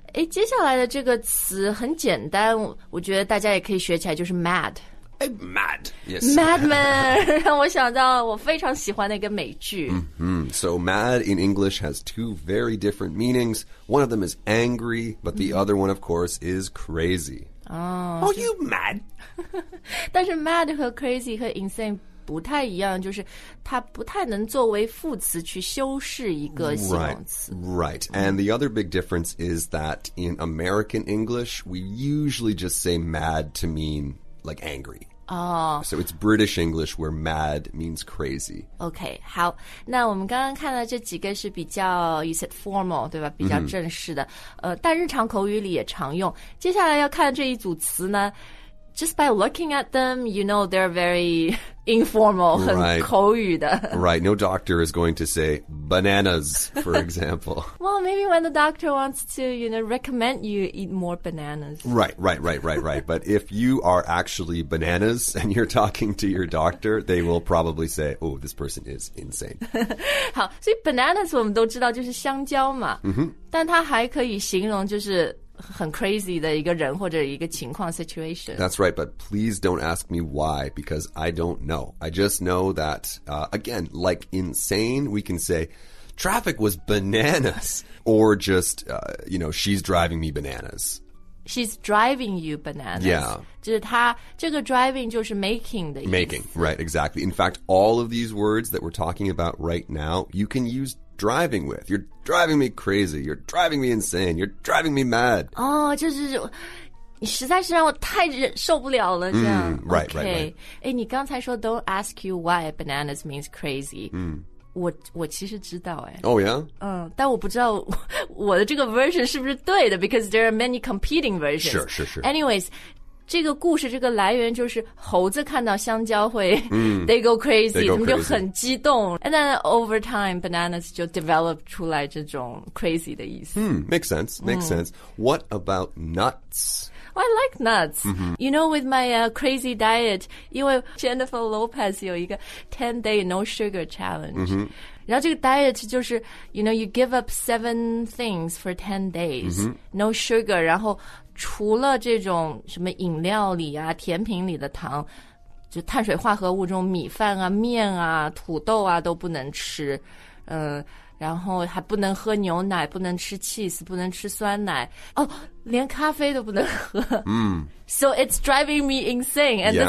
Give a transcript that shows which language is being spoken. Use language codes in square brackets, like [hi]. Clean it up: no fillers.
[zh] 接下来的这个词很简单，我觉得大家也可以学起来，就是 mad. [en] Mad, yes. [zh] Madman, 让我想到我非常喜欢的一个美剧。 [en] So mad in English has two very different meanings. One of them is angry, but the other one, of course, is crazy. Are you mad? [zh] 但是 mad 和 crazy 和 insane 不太一样，就是它不太能作为副词去修饰一个形容词。 [en] Right. And the other big difference is that in American English, we usually just say mad to mean like angry. Oh. So it's British English where mad means crazy. [zh] Okay, 好。那我们刚刚看到这几个是比较 [en] you said formal, [zh] 对吧？比较正式的。 Mm-hmm. 但日常口语里也常用。接下来要看这一组词呢 [en] just by looking at them, you know they're very informal, [zh] 很口语的。 [en] Right, no doctor is going to say bananas, for example. Well, maybe when the doctor wants to, you know, recommend you eat more bananas. Right. But if you are actually bananas and you're talking to your doctor, they will probably say, oh, this person is insane. [zh] 好，所以 bananas 我们都知道就是香蕉嘛。 Mm-hmm. 但它还可以形容就是很 crazy 的一个人或者一个情况 situation. [en] That's right, but please don't ask me why, because I don't know. I just know that, again, like insane, we can say, traffic was bananas, or just, you know, she's driving me bananas. She's driving you bananas. Yeah. [zh] 就是他这个 driving 就是 making 的意思。 [en] Making, right, exactly. In fact, all of these words that we're talking about right now, you can use driving with. You're driving me crazy. You're driving me insane. You're driving me mad. [zh] Oh, 就是你实在是让我太忍受不了了，这样。 [en] Right. [zh] 哎，你刚才说 [en] don't ask you why [zh] bananas means crazy. 我其实知道哎。 [en] Oh, yeah? [zh] 但我不知道我的这个 version 是不是对的 [en] because there are many competing versions. Sure. [zh] Anyways, 这个故事这个来源就是猴子看到香蕉会 [en] they go crazy, [zh] 他们就很激动。 [en] And then over time, bananas 就 develop 出来这种 crazy 的意思。 Makes sense. What about nuts? I like nuts. Mm-hmm. You know, with my crazy diet, 因为 Jennifer Lopez 有一个 10-day no sugar challenge. Mm-hmm. [zh] 然后这个 diet 就是 you know, [en] you give up 7 things for 10 days. Mm-hmm. No sugar. [zh] 然后除了这种什么饮料里啊甜品里的糖就碳水化合物中米饭啊面啊土豆啊都不能吃。然后还不能喝牛奶，不能吃 cheese， 不能吃酸奶，哦，连咖啡都不能喝。 [en] So it's driving me insane, and